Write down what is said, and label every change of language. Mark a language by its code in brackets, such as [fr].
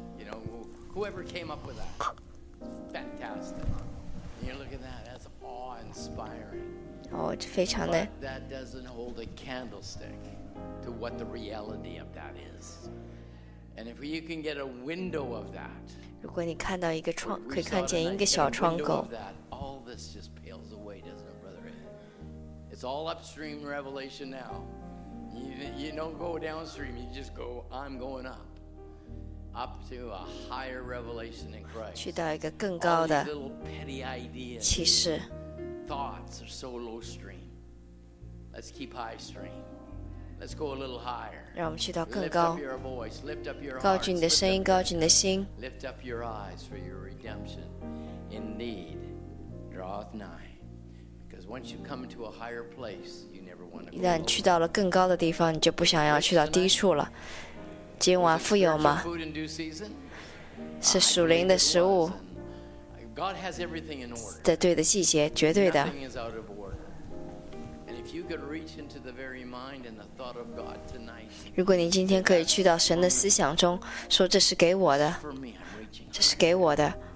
[en] You know, whoever came up with that, fantastic. You look at that, that's awe-inspiring. [zh] 哦，这非常的。 [en] But that doesn't hold a candlestick to what the reality of that is. And if you can get a window of that, [zh] 如果你看到一个窗，可以看见一个小窗口。 [en] All this just pales away, doesn't it, Brother Ed? It's all upstream revelation now. You don't go downstream, you just go, I'm going up. Up to a higher revelation in Christ. [zh] 去到一个更高的启示。 [en] All these little petty ideas, thoughts are so low stream. Let's keep high stream. Let's go a little higher. [zh] 让我们去到更高。 [en] Lift up your voice, lift up your [zh] heart. 高举你的声音，高举你的心。 [en] Lift up your eyes for your redemption in need. Draweth nigh, because once you come into a higher place, you never want to go. [zh] 一旦去到了更高的地方，你就不想要去到低处了。今晚富有吗？是属灵的食物。 [en] God has everything in order. [zh] 在对的季节，绝对的。 [en] Nothing is out of order. And if you could reach into the very mind and the thought of God tonight, [zh] 如果你今天可以去到神的思想中，说这是给我的，这是给我的。